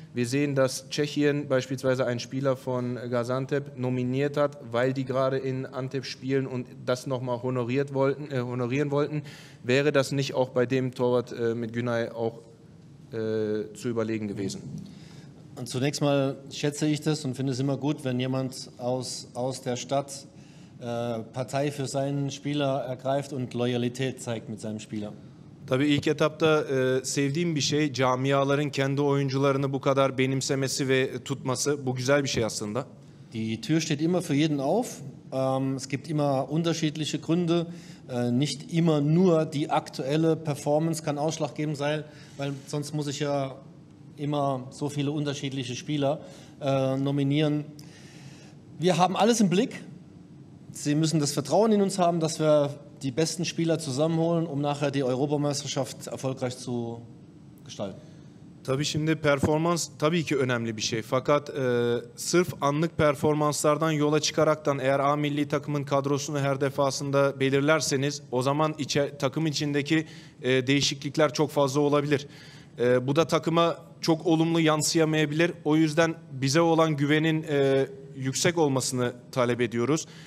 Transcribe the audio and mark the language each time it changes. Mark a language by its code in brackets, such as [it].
[de] Wir sehen, dass Tschechien beispielsweise einen Spieler von Gaziantep nominiert hat, weil die gerade in Antep spielen und das nochmal honorieren wollten. Wäre das nicht auch bei dem Torwart mit Günay auch zu überlegen gewesen. Und zunächst mal schätze ich das und finde es immer gut, wenn jemand aus der Stadt Partei für seinen Spieler ergreift und Loyalität zeigt mit seinem Spieler. [tr] Tabii ilk etapta sevdiğim bir şey camiaların kendi oyuncularını bu kadar benimsemesi ve tutması. Bu güzel bir şey aslında. [de] Die Tür steht immer für jeden auf. Es gibt immer unterschiedliche Gründe. Nicht immer nur die aktuelle Performance kann ausschlaggebend sein, weil sonst muss ich ja immer so viele unterschiedliche Spieler nominieren. Wir haben alles im Blick. Sie müssen das Vertrauen in uns haben, dass wir die besten Spieler zusammenholen, um nachher die Europameisterschaft erfolgreich zu gestalten. [tr] Tabii şimdi performans tabii ki önemli bir şey. Fakat sırf anlık performanslardan yola çıkaraktan eğer A milli takımın kadrosunu her defasında belirlerseniz o zaman takım içindeki değişiklikler çok fazla olabilir. Bu da takıma çok olumlu yansıyamayabilir. O yüzden bize olan güvenin yüksek olmasını talep ediyoruz.